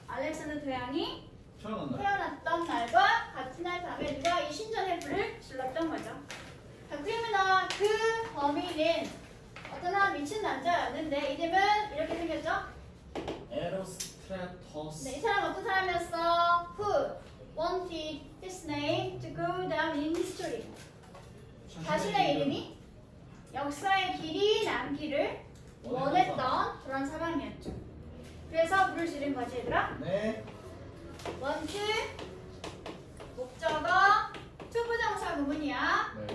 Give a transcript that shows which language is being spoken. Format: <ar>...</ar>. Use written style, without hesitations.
<ko>알렉산더 대왕이 태어났던 날과 같은 날 밤에 누가 이 신전에 불을 질렀던 거죠. 자, 그러면 그 범인은 어떤 한 미친 남자였는데 이름은 이렇게 생겼죠? 에로스. 네, 이 사람 어떤 사람이었어?</ko> <en>Who wanted his name to go down in history?</en> <ko>자신의 이름이 역사의 길이 남기를 원했던 그런 사람이었죠. 그래서 불을 지른 거지, 얘들아? 네. Want 목적어 to 부정사 구문이야. 네.</ko>